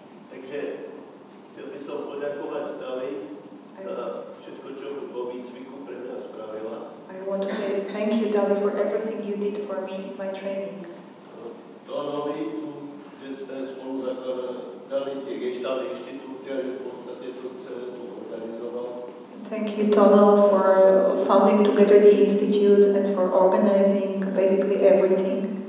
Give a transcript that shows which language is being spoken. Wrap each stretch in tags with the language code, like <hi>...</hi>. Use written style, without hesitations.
<cs>Takže chtěl bych se poděkovat Dali za všechno, co po výcviku pro mě spravila.</cs> <en>I want to say thank you, Dali, for everything you did for me in my training.</en> <cs>Donovi, že jste spolu zakladali ty Gestalt Institute, který v podstatě to celé tu organizoval.</cs> <en>Thank you, Tono, for founding together the institute and for organizing basically everything.</en>